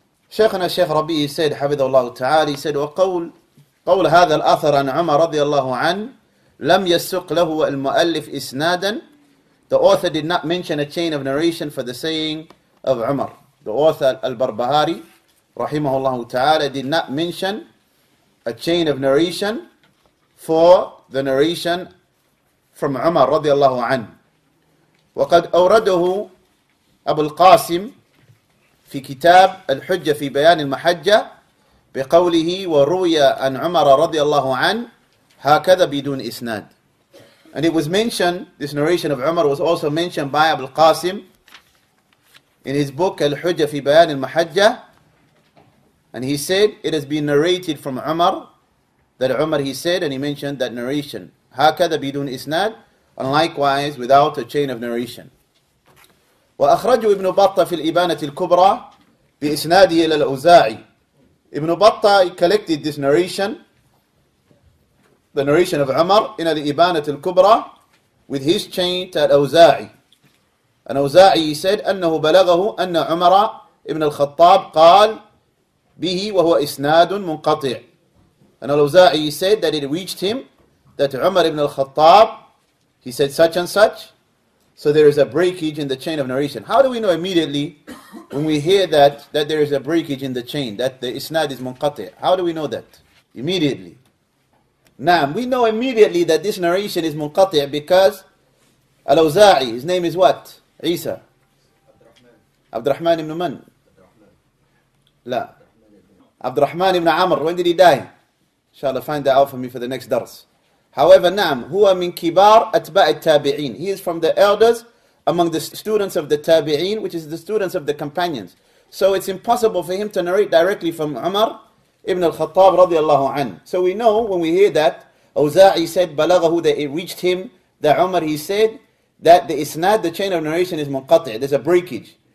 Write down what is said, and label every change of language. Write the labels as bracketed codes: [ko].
[ar] شيخنا الشيخ ربيع سيد حفظه الله تعالى سيد وقول قول هذا الأثر عن عمر رضي الله عنه لم يسق له المؤلف إسنادا. [en] The author did not mention a chain of narration for the saying of Umar. The author البربهاري [ar] رحمه الله تعالى [en] did not mention a chain of narration for the narration from عمر [ar] رضي الله عنه. وقد أورده أبو القاسم في كتاب الحجة في بيان المحجة بقوله: وروي عن عمر رضي الله عنه هكذا بدون إسناد. [en] And it was mentioned, this narration of Umar was also mentioned by Abu al-Qasim in his book الحجة في بيان المحجة. And he said, it has been narrated from Umar, that Umar, he said, and he mentioned that narration, [ar] هكذا بدون إسناد, [en] and likewise without a chain of narration. [ar] وأخرجه ابن بطة في الإبانة الكبرى بإسناده إلى الأوزاعي. [en] ابن بطة collected this narration, the narration of عمر, in الإبانة الكبرى with his chain to الأوزاعي. [ar] الأوزاعي [en] said [ar] أنه بلغه أن عمر ابن الخطاب قال به وهو إسناد منقطع. [en] And الأوزاعي said that it reached him that عمر ابن الخطاب, he said such and such. So there is a breakage in the chain of narration. How do we know immediately when we hear that there is a breakage in the chain, that the isnad is munqati? How do we know that? Immediately. Naam, we know immediately that this narration is munqati because Al-Awza'i, his name is what? Isa. Abdurrahman ibn man? La. Abdurrahman ibn Amr, when did he die? Inshallah, find that out for me for the next dars. However, [ar] نعم, هو من كبار أتباع التابعين. [en] He is from the elders among the students of the تابعين, which is the students of the companions. So it's impossible for him to narrate directly from عمر ابن الخطاب [ar] رضي الله عنه. [en] So we know when we hear that, أوزاعي said بلغه, that it reached him, that Umar, he said that the isnad, the chain of narration is munqati'. There's a breakage.